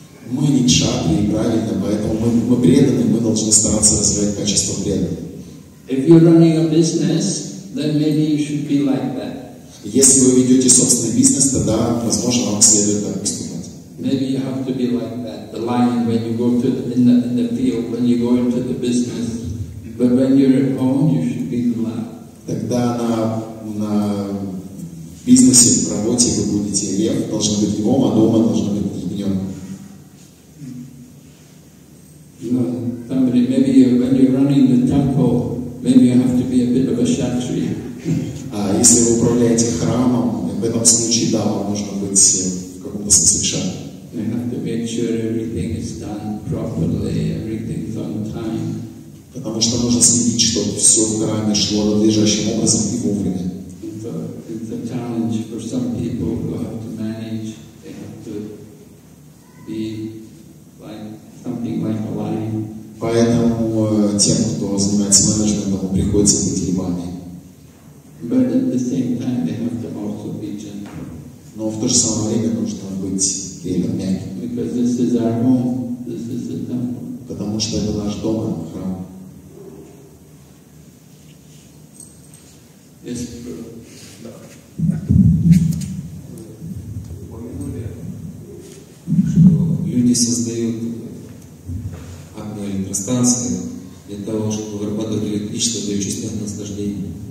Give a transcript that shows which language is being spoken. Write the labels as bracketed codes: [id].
[ru] Мы не кшатрии, правильно, поэтому мы преданы, мы должны стараться развивать качество преданного. Если вы ведете собственный бизнес, тогда, возможно, вам следует так поступать. [en] Maybe you have to be like that. the line when you go to the, in the field, when you go into the business, but when you're at home, you should be the lamp. [ru] Тогда на бизнесе, в работе вы будете лев, должен быть львом, а дома должен быть ягнём. [en] No, somebody, maybe you, when you're running the temple, maybe you have to be a bit of a kshatriya. [ru] А если вы управляете храмом, в этом случае, да, вам нужно быть в каком-то смысле кшатрия. [en] You have to make sure everything is done properly, everything's on time. [ru] Потому что нужно следить, чтобы все в храме шло надлежащим образом и вовремя. [en] It's a challenge for some people who have to manage, they have to be like something like a lion. [ru] Поэтому тем, кто занимается менеджментом, приходится быть львами. [en] But at the same time, they have to also be gentle. [ru] Но в то же самое время нужно быть гейлом, мягким. [en] Because this is our home, this is the temple. [ru] Потому что это наш дом, храм. [en] Yes. [ru] Да. Упомянули, что люди создают атомоэлектростанции для того, чтобы вырабатывать электричество для чувственных наслаждений.